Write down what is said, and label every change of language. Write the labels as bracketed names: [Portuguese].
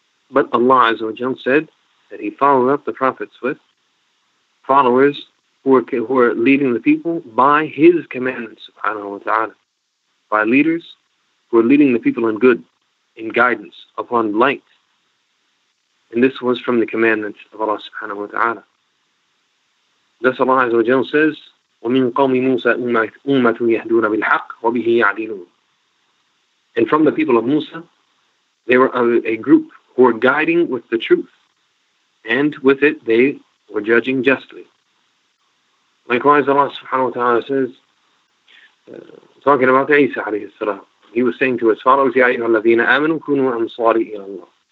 [English] But Allah, Azza wa Jalla, said that He followed up the prophets with followers who were leading the people by His commandments, subhanahu wa ta'ala, by leaders who are leading the people in good, in guidance, upon light. And this was from the commandments of Allah subhanahu wa ta'ala. Thus Allah Azza wa Jalla says, [Arabic] وَمِنْ قَوْمِ مُوسَى أُمَّةٌ يَهْدُونَ بِالْحَقِّ وَبِهِ يَعْدِلُونَ. [English] And from the people of Musa, they were a group who were guiding with the truth, and with it they were judging justly. Likewise Allah subhanahu wa ta'ala says, talking about Isa alayhi salam, He was saying to His followers, [Arabic] يَا أَيُّهَا الَّذِينَ آمَنُوا كُنُوا أَنصَارِي إِلَى اللَّهِ.